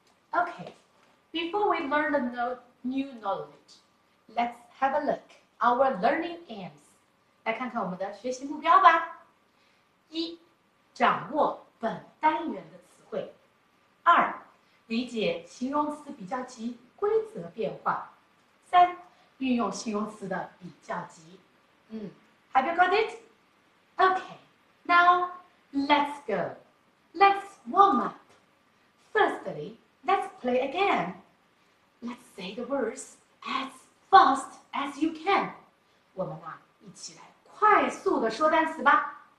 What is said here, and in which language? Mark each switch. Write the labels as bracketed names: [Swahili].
[English] OK，before we learn the new knowledge, let's have a look our learning aims. [Chinese] 来看看我们的学习目标吧。一、掌握本单元的词汇。二、理解形容词比较级规则变化。三、运用形容词的比较级。 [English] Have you got it? Okay, now let's go. Let's warm up. Firstly, let's play again. Let's say the words as fast as you can. [Chinese] 我们啊，一起来快速的说单词吧。